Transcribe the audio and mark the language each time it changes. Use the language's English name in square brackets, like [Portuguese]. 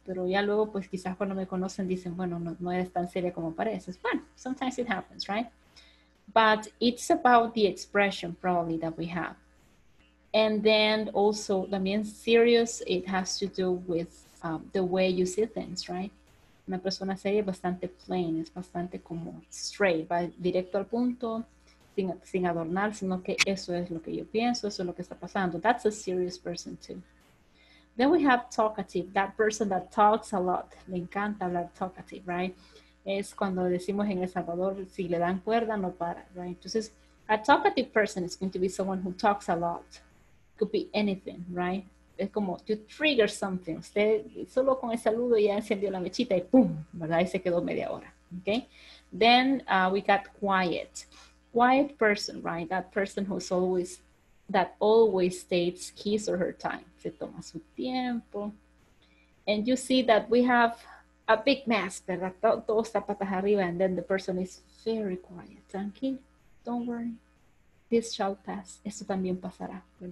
[Spanish] Pero ya luego, pues quizás cuando me conocen dicen, bueno, no eres tan seria como pareces. [English] Bueno, sometimes it happens, right? But it's about the expression probably that we have. And then also, también serious, it has to do with the way you see things, right? [Spanish] Una persona seria es bastante plain, es bastante como straight, va directo al punto, sin adornar, sino que eso es lo que yo pienso, eso es lo que está pasando. [English] That's a serious person too. Then we have talkative, that person that talks a lot. [Spanish] Le encanta hablar talkative, right? Es cuando decimos en El Salvador, si le dan cuerda, no para, right? [English] Entonces, a talkative person is going to be someone who talks a lot. Could be anything, right? [Spanish] Es como, [English] you trigger something. [Spanish] Usted solo con el saludo ya encendió la mechita y pum, ¿verdad? Y se quedó media hora, okay? [English] Then we got quiet. Quiet person, right? That person who's always, that always takes his or her time. [Spanish] Se toma su tiempo. [English] And you see that we have a big mess, ¿verdad? [Spanish] Todo está patas arriba. [English] And then the person is very quiet. Tranquil, don't worry. This shall pass. [Spanish] Esto también pasará.